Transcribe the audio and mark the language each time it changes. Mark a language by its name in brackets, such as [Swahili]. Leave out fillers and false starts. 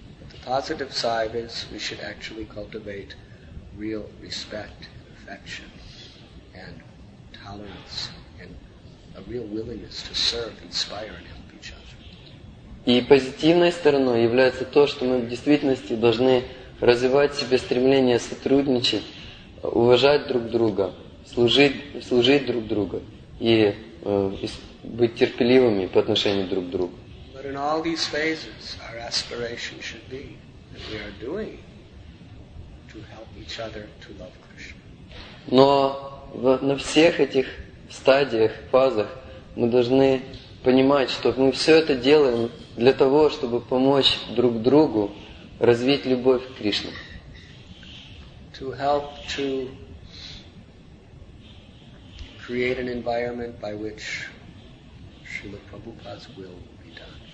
[English] The positive side is we should actually cultivate real respect, affection, and tolerance, and a real willingness to serve, inspire, and help each other. [Russian] И позитивной стороной является то, что мы в действительности должны развивать в себе стремление сотрудничать, уважать друг друга, служить друг другу и быть терпеливыми по отношению друг к другу. [English] But in all these phases, our aspiration should be that we are doing to help each other to love Krishna. [Russian] Но на всех этих стадиях, фазах, мы должны понимать, что мы все это делаем для того, чтобы помочь друг другу развить любовь к Кришне. [English] To help to create an environment by which Srila Prabhupada's will be done.